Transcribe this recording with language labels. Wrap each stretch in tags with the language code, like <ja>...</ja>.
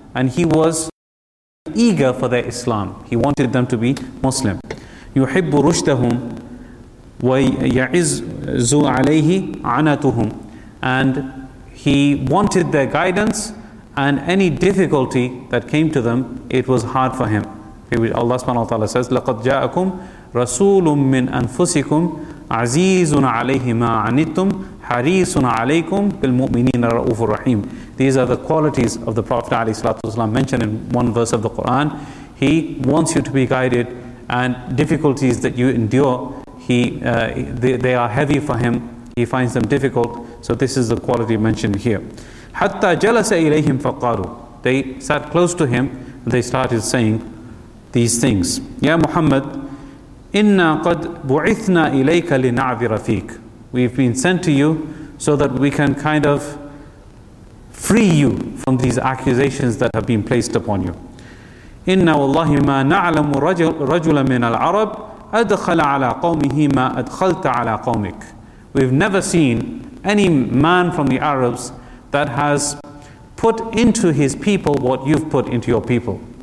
<en>And he was eager for their Islam. He wanted them to be Muslim.</en> <ar>يُحِبُّ رُشْدَهُمْ وَيَعِزُّ عَلَيْهِ عَنَتُهُمْ.</ar> <en>And he wanted their guidance, and any difficulty that came to them, it was hard for him. Allah subhanahu wa ta'ala says,</en> <ar>لَقَدْ جَاءَكُمْ رَسُولٌ مِّنْ أَنفُسِكُمْ عَزِيزٌ عَلَيْهِ مَا عَنِتُّمْ حَرِيصٌ عَلَيْكُمْ بِالْمُؤْمِنِينَ رَؤُوفُ الرَّحِيمُ.</ar> <en>These are the qualities of the Prophet ﷺ mentioned in one verse of the Quran. He wants you to be guided, and difficulties that you endure, they are heavy for him. He finds them difficult. So this is the quality mentioned here.</en> <ar>حَتَّى جَلَسَ إِلَيْهِمْ فَقَارُوا.</ar> <en>They sat close to him and they started saying these things.</en> <ar>Ya Muhammad, إِنَّا قَدْ بُعِثْنَا إِلَيْكَ لِنَعْذِرَ فِيكَ.</ar> <en>We've been sent to you so that we can kind of free you from these accusations that have been placed upon you.</en> <ar>إِنَّا وَاللَّهِ مَا نَعْلَمُ رَجُلًا مِنَ الْعَرَبِ أَدْخَلَ عَلَى قَوْمِهِ مَا أَدْخَلْتَ عَلَى قَوْمِكَ.</ar> <en>We've never seen any man from the Arabs that has put into his people what you've put into your people.</en>